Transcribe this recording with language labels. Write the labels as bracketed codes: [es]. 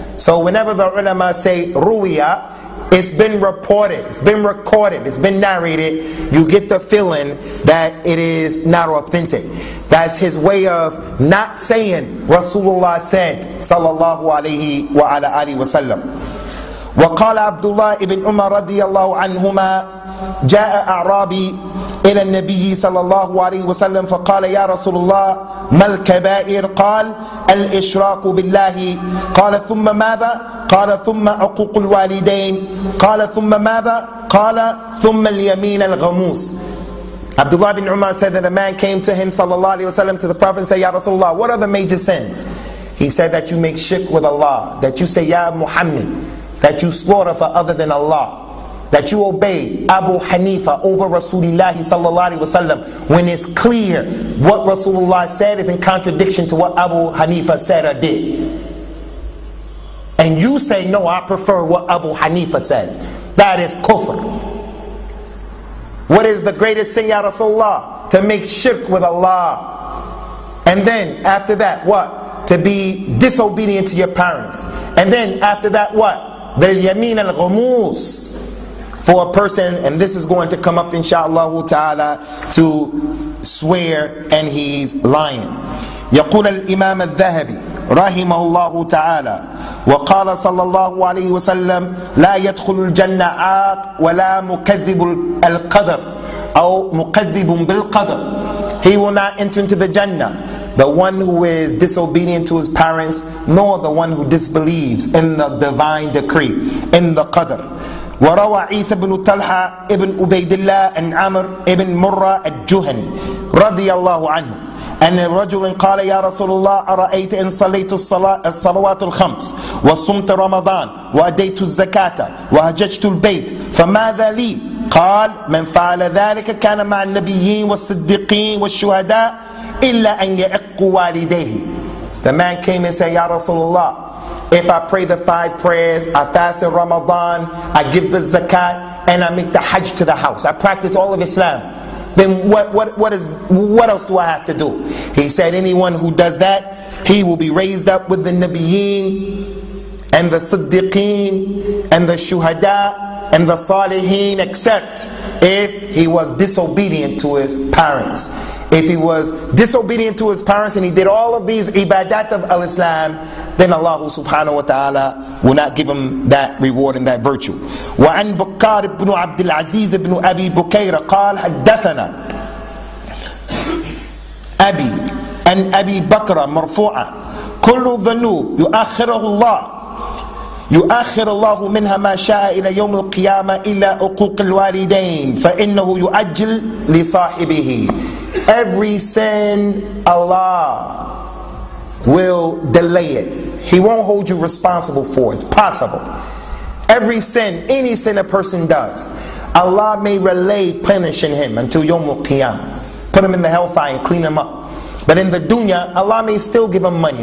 [en] So whenever the ulama say Ruwiya, it's been reported, it's been recorded, it's been narrated. You get the feeling that it is not authentic. That's his way of not saying Rasulullah said, sallallahu alayhi wa ala alihi wa sallam. [ar] وقال عبد الله بن عمر رضي الله عنهما جاء أعرابي إلى النبي صلى الله عليه وسلم فقال يا رسول الله ما الكبائر قال الإشراك بالله قال ثم ماذا قال ثم عقوق الوالدين قال ثم ماذا قال ثم اليمين الغموس. [en] Abdullah ibn Umar said that a man came to him [ar] صلى الله عليه وسلم [en] to the Prophet and said, [ar] يا رسول الله, [en] what are the major sins? He said that you make shirk with Allah, that you say, [ar] يا محمد, [en] that you slaughter for other than Allah, that you obey Abu Hanifa over Rasulullah sallallahu alaihi wasallam, when it's clear what Rasulullah said is in contradiction to what Abu Hanifa said or did. And you say, no, I prefer what Abu Hanifa says. That is kufr. What is the greatest sin, ya Rasulullah? To make shirk with Allah. And then after that, what? To be disobedient to your parents. And then after that, what? The yameen al-ghumus for a person, and this is going to come up insha'Allah ta'ala, to swear and he's lying. [ar] يقول الإمام الذهبي رحمه الله تعالى وقال صلى الله عليه وسلم لا يدخل الجنة عاق ولا مكذب القدر أو مكذب بالقدر. [en] He will not enter into the Jannah, the one who is disobedient to his parents, nor the one who disbelieves in the divine decree, in the qadr. [ar] وروى عيسى بن طلحة ابن عبيد الله عن عمر ابن مرة الجهني رضي الله عنه أن الرجل قال يا رسول الله أرأيت إن صليت الصلوات الخمس وصمت رمضان وأديت الزكاة وهججت البيت فماذا لي؟ قال من فعل ذلك كان مع النبيين والصديقين والشهداء إلا أن يعق والديه. [en] The man came and said, ya Rasulullah, if I pray the five prayers, I fast in Ramadan, I give the zakat, and I make the hajj to the house, I practice all of Islam, then what else do I have to do? He said, anyone who does that, he will be raised up with the Nabiyeen and the Siddiqeen and the Shuhada and the Salihin, except if he was disobedient to his parents. if he was disobedient to his parents and he did all of these ibadat of al-Islam, then Allah subhanahu wa ta'ala will not give him that reward and that virtue. [ar] وَعَنْ بُكَّارِ بْنُ عَبْدِ الْعَزِيزِ بْنُ أَبِي بُكَيْرَ قَالْ حَدَّثَنَا أَبِي أَنْ أَبِي بَكْرَ مَرْفُوعًا كُلُّ ذُنُوبٍ يُؤَخِّرُهُ اللَّهُ يؤخر الله منها ما شاء إلى يوم القيامة إلا عقوق الوالدين فإنه يؤجل لصاحبه. [en] Every sin Allah will delay it. He won't hold you responsible for it. It's possible. Every sin, any sin a person does, Allah may relay punishing him until يوم القيامة. Put him in the hellfire and clean him up. But in the dunya, Allah may still give him money.